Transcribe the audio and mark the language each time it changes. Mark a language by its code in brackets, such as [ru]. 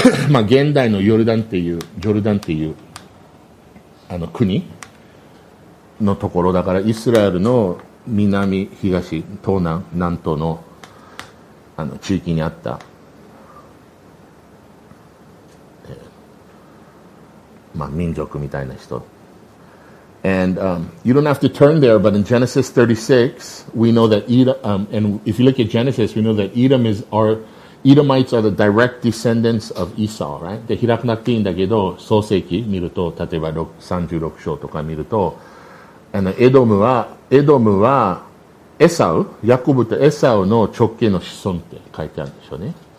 [ja] まあ現代のヨルダンっていう国のところだから、イスラエルの南東、東南東のあの地域にあった、まあ、民族みたいな人。 [en] And、you don't have to turn there, but in Genesis 36, we know that Edom,、and if you look at Genesis, we know that Edom is our, Edomites are the direct descendants of Esau, right? [ja] で、開かなくていいんだけど、創世記見ると、例えば36章とか見ると、あの、エドムは、エサウ、ヤコブとエサウの直系の子孫って書いてあるんでしょうね。